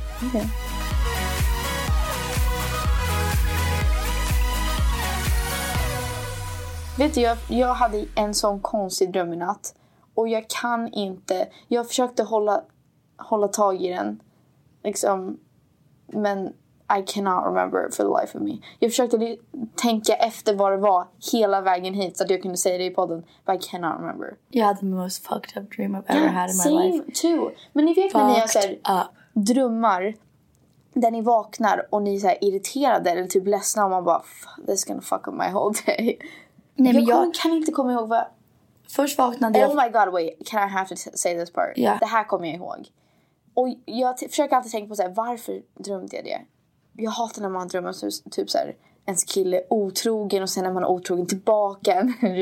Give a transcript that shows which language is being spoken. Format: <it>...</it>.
<en>Okay.</en> <sv>Vet du, jag hade en sån konstig dröm i natt. Och jag kan inte... Jag försökte hålla tag i den. Liksom.</sv> <en>Men I cannot remember for the life of me.</en> <sv>Jag försökte tänka efter vad det var hela vägen hit. Så att jag kunde säga det i podden.</sv> <en>But I cannot remember. Jag hade the most fucked up dream I've ever had in same my life. Same too.</en> <sv>Men ni vet fucked när ni har så här, drömmar. Där ni vaknar och ni är så här irriterade. Eller typ ledsna. Och man bara, this gonna fuck up my whole day. Nej, men jag kan inte komma ihåg vad... Först vaknade jag...</sv> <en>Oh my god, wait. Can I have to say this part? Yeah.</en> <sv>Det här kommer jag ihåg. Och jag försöker alltid tänka på så här, varför drömde jag det? Jag hatar när man drömmer typ så här, ens kille otrogen. Och sen när man är otrogen tillbaka.</sv>